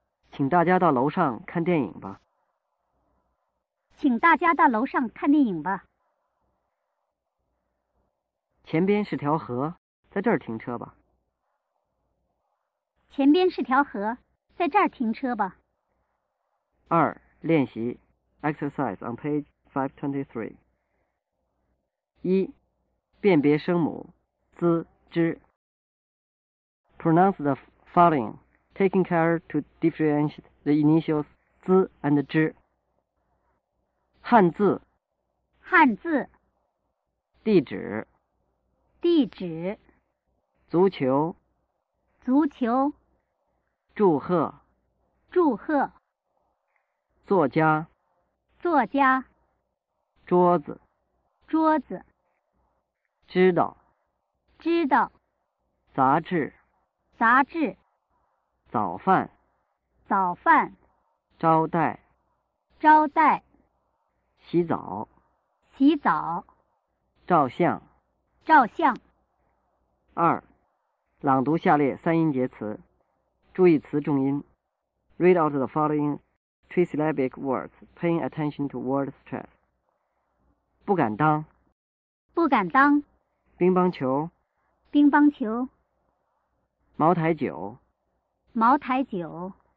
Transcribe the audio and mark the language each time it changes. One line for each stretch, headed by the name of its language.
Chinese: 请大家到楼上看电影吧。请大家到楼上看电影吧。前边是条河，在这儿停车吧。前边是条河，在这儿停车吧。二，练习，
English: exercise on page 523。
Chinese: 一，辨别声母，z、z。
English: Pronounce the following, taking care to differentiate the initials z and z。
Chinese: 汉字，汉字，地址。地址，足球，足球，祝贺，祝贺，作家，作家，桌子，桌子，知道，知道，杂志，杂志，早饭，早饭，招待，招待。洗澡，洗澡，照相，照相。二。朗读下列三音节词，注意词重音。
English: Read out the following trisyllabic words, paying attention to word stress.
Chinese: 不敢当，不敢当。乒乓球，乒乓球。茅台酒，茅台酒。